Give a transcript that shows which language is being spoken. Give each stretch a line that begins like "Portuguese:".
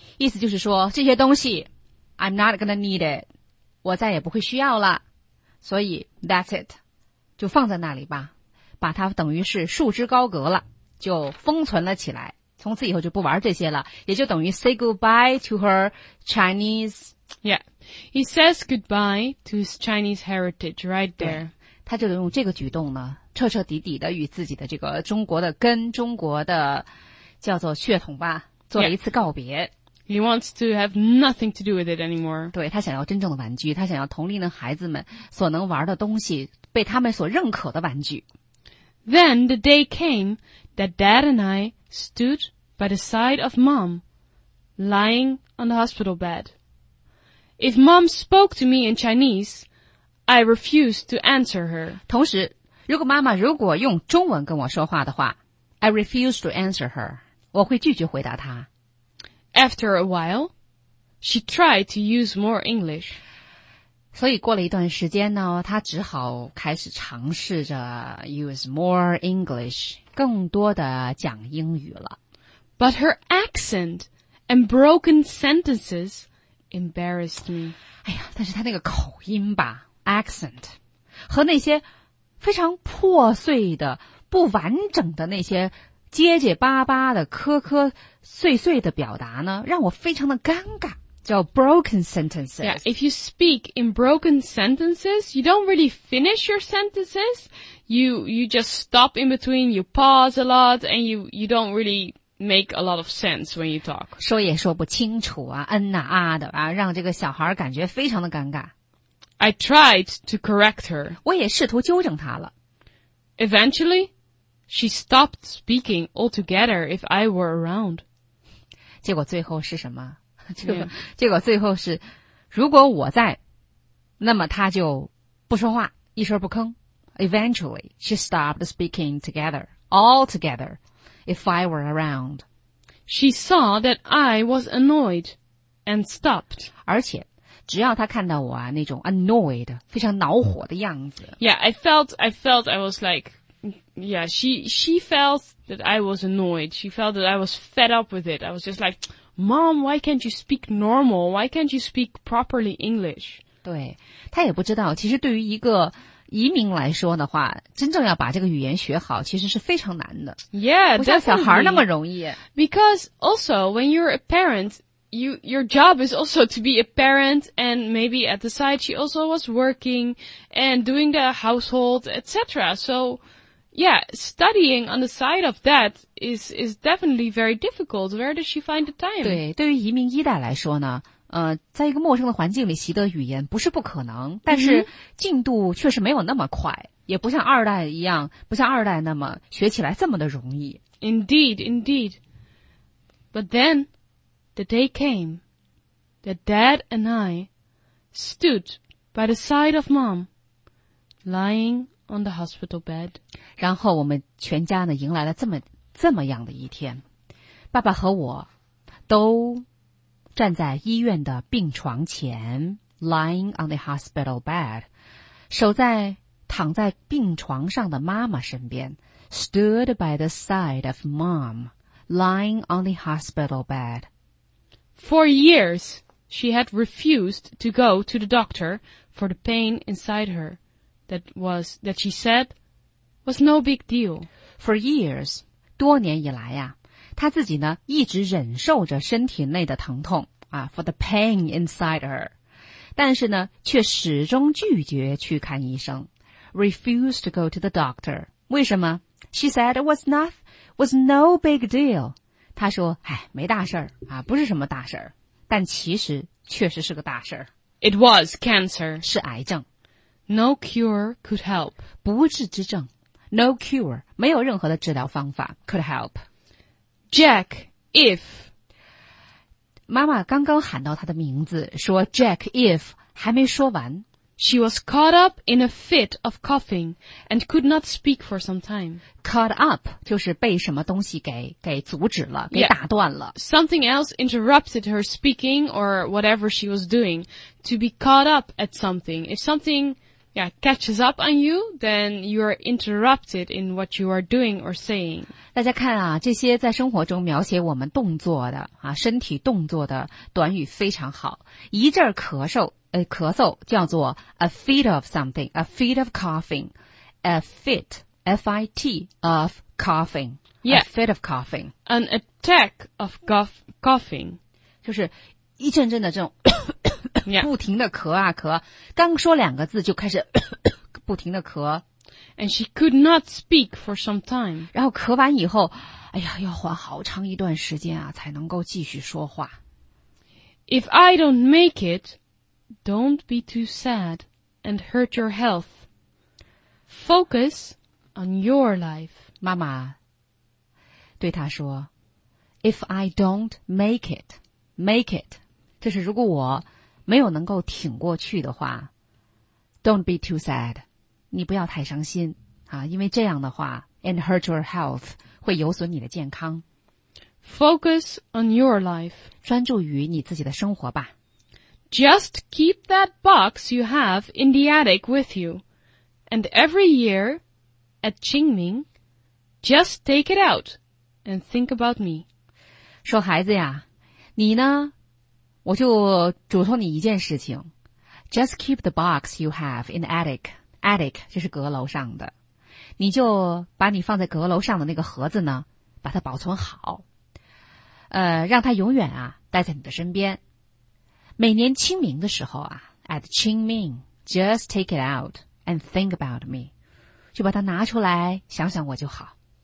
Chinese: 意思就是说，这些东西
English: I'm not gonna need it.
Chinese: 我再也不会需要了。所以
English: that's it,
Chinese: 就放在那里吧，把它等于是束之高阁了，就封存了起来，从此以后就不玩这些了，也就等于
English: say goodbye to her Chinese. Yeah, he says goodbye to his Chinese heritage right there.
Chinese: 他就用这个举动呢，彻彻底底的与自己的这个中国的根，中国的叫做血统吧，做了一次告别。
English: Yeah. He wants to have nothing to do with it anymore.
Chinese: 对，他想要真正的玩具，他想要同龄的孩子们所能玩的东西，被他们所认可的玩具。
English: Then the day came that Dad and I stood by the side of Mom, lying on the hospital bed. If Mom spoke to me in Chinese, I refused to answer her.
Chinese: 同时，如果妈妈如果用中文跟我说话的话 ，
English: I refuse to answer her.
Chinese: 我会拒绝回答她。
English: After a while, she tried to use more English.
Chinese: 所以过了一段时间呢，她只好开始尝试着
English: use more English,
Chinese: 更多的讲英语了。
English: But her accent and broken sentences embarrassed me.
Chinese: 哎呀，但是她那个口音吧 ,accent, 和那些非常破碎的、不完整的那些结结巴巴的磕磕碎碎的表达呢，让我非常的尴尬，叫
English: broken sentences. Yeah, if you speak in broken sentences, you don't really finish your sentences. You just stop in between, you pause a lot, and you don't really make a lot of sense when you talk.
Chinese: 说也说不清楚啊，嗯啊啊的啊，让这个小孩感觉非常的尴尬。
English: I tried to correct her.
Chinese: 我也试图纠正她了。
English: Eventually, she stopped speaking altogether if I were around.
Chinese: 结果最后是什么？结果最后是，如果我在，那么她就不说话，一声不吭。
English: Eventually, she stopped speaking together, altogether. If I were around. She saw that I was annoyed and stopped.
Chinese: 而且只要她看到我啊那种
English: annoyed,
Chinese: 非常恼火的样子。
English: Yeah, I felt I was like, yeah, she felt that I was annoyed. She felt that I was fed up with it. I was just like, Mom, why can't you speak normal? Why can't you speak properly English?
Chinese: 对，她也不知道，其实对于一个移民来说的话，真正要把这个语言学好其实是非常难的。
English: Yeah,
Chinese: 不像小孩那么容易。
English: Definitely. Because also, when you're a parent, your job is also to be a parent, and maybe at the side she also was working and doing the household, etc. So, yeah, studying on the side of that is definitely very difficult. Where does she find the time?
Chinese: 对，对于移民一代来说呢，在一个陌生的环境里习得语言不是不可能，但是进度确实没有那么快，也不像二代一样，不像二代那么学起来这么的容易。
English: Indeed, indeed. But then, the day came that Dad and I stood by the side of Mom, lying on the hospital bed.
Chinese: 然后我们全家呢迎来了这么样的一天，爸爸和我都站在医院的病床前 ,
English: lying on the hospital bed,
Chinese: 躺在病床上的妈妈身边 ,
English: stood by the side of mom, lying on the hospital bed. For years, she had refused to go to the doctor for the pain inside her that she said was no big deal. For years,
Chinese: 多年以来呀，她自己呢一直忍受着身体内的疼痛啊 ,
English: for the pain inside her,
Chinese: 但是呢却始终拒绝去看医生 ,
English: refused to go to the doctor.
Chinese: 为什么
English: ?She said it was no big deal.
Chinese: 她说哎没大事儿啊，不是什么大事儿，但其实确实是个大事儿。
English: It was cancer.
Chinese: 是癌症。
English: No cure could help.
Chinese: 不治之症。
English: No cure,
Chinese: 没有任何的治疗方法
English: could help. Jack, if
Chinese: 妈妈刚刚喊到她的名字，说
English: Jack, if
Chinese: 还没说完
English: ，She was caught up in a fit of coughing and could not speak for some time. Caught up
Chinese: 就是被什么东西给阻止了，给打断了。
English: Yeah. Something else interrupted her speaking or whatever she was doing. To be caught up at something, if something yeah catches up on you, then you are interrupted in what you are doing or saying.
Chinese: 大家看啊，这些在生活中描写我们动作的啊，身体动作的短语非常好。一阵咳嗽叫做
English: a fit of something, a fit of coughing, a fit, F-I-T of coughing, yeah, a fit of coughing, an attack of coughing,
Chinese: 就是一阵阵的这种、
English: yeah.
Chinese: 不停的咳啊咳，刚说两个字就开始不停的咳。
English: And she could not speak for some time.
Chinese: 然后咳完以后，哎呀，要缓好长一段时间啊，才能够继续说话。
English: If I don't make it, don't be too sad and hurt your health. Focus on your life.
Chinese: 妈妈对她说
English: ,If I don't make it, make it.
Chinese: 就是如果我没有能够挺过去的话 ,
English: don't be too sad.
Chinese: 你不要太伤心啊，因为这样的话 ,
English: and hurt your health,
Chinese: 会有损你的健康。
English: Focus on your life.
Chinese: 专注于你自己的生活吧。
English: Just keep that box you have in the attic with you. And every year, at Qingming, just take it out and think about me.
Chinese: 说孩子呀，你呢，我就嘱托你一件事情。
English: Just keep the box you have in the attic.
Chinese: Attic 就是阁楼上的，你就把你放在阁楼上的那个盒子呢，把它保存好，让它永远啊待在你的身边。每年清明的时候啊 ，
English: at Qingming, just take it out and think about me,
Chinese: 就把它拿出来想想我就好。